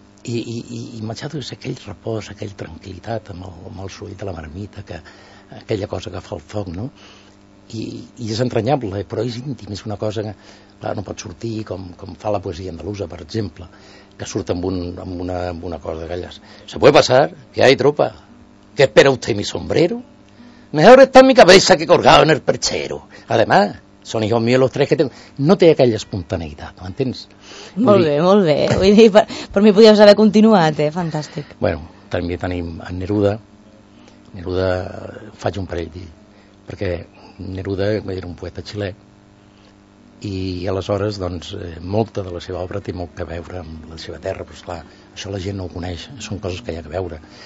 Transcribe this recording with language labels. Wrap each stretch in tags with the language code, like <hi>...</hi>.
<ca>I Machado és aquell repòs, aquella tranquil·litat amb el soroll de la marmita, aquella cosa que fa el foc, no? I és entranyable, però és íntim, és una cosa que clar, no pot sortir, com fa la poesia andalusa, per exemple, que surt amb una cosa d'aquelles.</ca> <es>Se puede pasar, que hay tropa, que espera usted mi sombrero, mejor está mi cabeza que colgado en el perchero. Además, son hijos míos los tres que tengo.</es> <ca>No té aquella espontaneïtat, ¿no entens? Molt bé, molt bé. Vull dir, per mi podies haver continuat, fantàstic. Bueno, també tenim en Neruda. Neruda, faig un parell d'ell, perquè Neruda era un poeta xilè i aleshores doncs, molta de la seva obra té molt que veure amb la seva terra, però esclar, això la gent no ho coneix, són coses que hi ha que veure.</ca>